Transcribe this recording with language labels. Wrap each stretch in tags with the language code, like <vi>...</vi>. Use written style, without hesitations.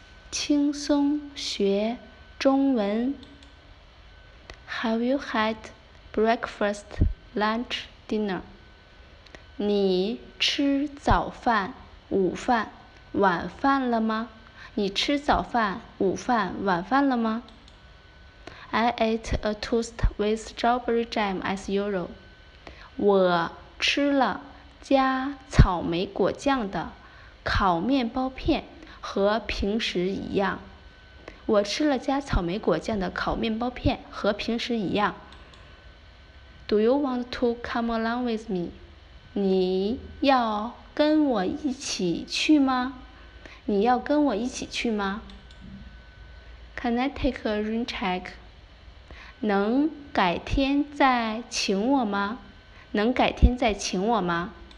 <zh>轻松学中文。</zh> <en>Have you had breakfast, lunch, dinner?</en> <zh>你吃早饭、午饭、晚饭了吗？你吃早饭、午饭、晚饭了吗？</zh> <en>I ate a toast with strawberry jam as usual.</en> <zh>我吃了加草莓果酱的烤面包片和平时一样。我吃了加草莓果酱的烤面包片和平时一样。</zh> <en>Do you want to come along with me?</en> <zh>你要跟我一起去吗？你要跟我一起去吗？</zh> <en>Can I take a rain check?</en> <zh>能改天再请我吗？能改天再请我吗？</zh>